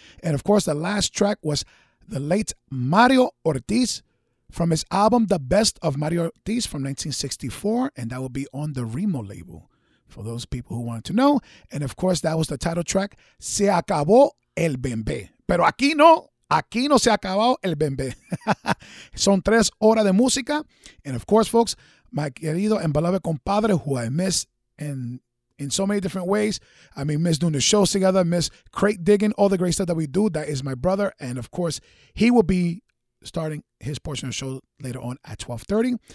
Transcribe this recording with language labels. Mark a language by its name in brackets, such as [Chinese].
[English] And of course, the last track was the late Mario Ortiz from his album The Best of Mario Ortiz from 1964. And that will be on the Remo label for those people who wanted to know. And of course, that was the title track Se Acabó el Bembé. [Spanish] Pero aquí no se ha acabado el Bembé. Son tres horas de música. [English] And of course, folks, my [Spanish] querido [English] and beloved compadre, who I miss and in so many different ways. I mean, miss doing the shows together, miss crate digging, all the great stuff that we do. That is my brother. And of course, he will be starting his portion of the show later on at 12:30.